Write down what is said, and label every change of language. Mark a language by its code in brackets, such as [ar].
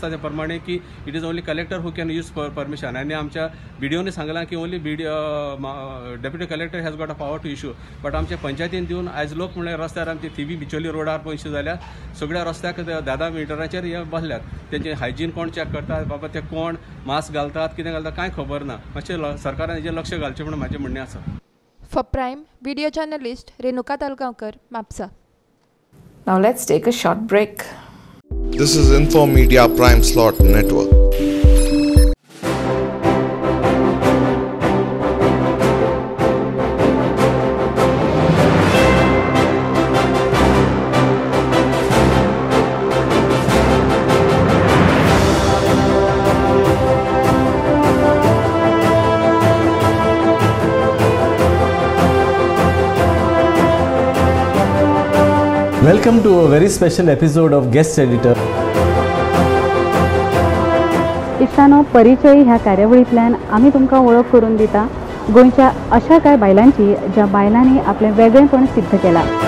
[kok] असता त्या प्रमाणे की [en] It is only collector who can use permission. [kok] आणि आमच्या बीडीओने सांगला की [en] only BDO deputy collector has got a power to issue, but [kok] आमच्या पंचायतीन देऊन आज लोक म्हणजे रस्त्यावर आमची थिवी बिचोली रोडार पण इश्यू झाल्या. सगळ्या रस्त्याक धा मिटरांचेर हे बसल्यात, त्यांचे हायजीन कोण चेक करतात, बाबा ते कोण मास्क घालतात, किती घालतात काय खबर ना. मातशे सरकारान हेजेर लक्ष घालचे म्हणून माझे म्हणणे असं. [en] For Prime, video journalist Renuka Talgaonkar, Mapsa. Now let's take a short break. This is Infomedia Prime Slot Network. Welcome to a very special episode of Guest Editor. [kok] इतनो परिचय ह्या कार्यवळीतल्यान आम्ही तुमका ओळख करून देता गोंच्या अशा काय बायलांची ज्या बायलांनी आपले वेगळेपण सिद्ध केला.